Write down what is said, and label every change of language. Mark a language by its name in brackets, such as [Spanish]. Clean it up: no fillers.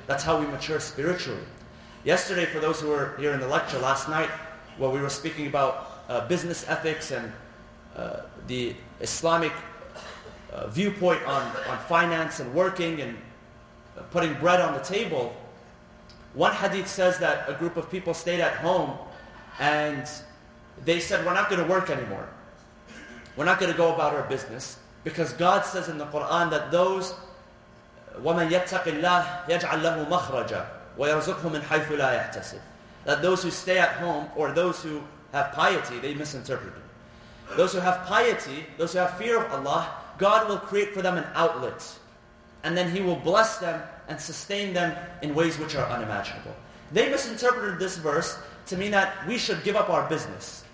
[English] That's how we mature spiritually. Yesterday, for those who were here in the lecture last night, where we were speaking about business ethics and the Islamic viewpoint on finance and working and putting bread on the table, one hadith says that a group of people stayed at home and they said, we're not going to work anymore. We're not going to go about our business. Because God says in the Quran that those, [Arabic] وَمَنْ يَتَّقِ اللَّهِ يَجْعَلْ لَهُ مَخْرَجًا وَيَرْزُقْهُ مِنْ حَيْثُ لَا يَحْتَسِبُ. [English] That those who stay at home, or those who have piety, they misinterpreted. Those who have piety, those who have fear of Allah, God will create for them an outlet. And then He will bless them and sustain them in ways which are unimaginable. They misinterpreted this verse to mean that we should give up our business.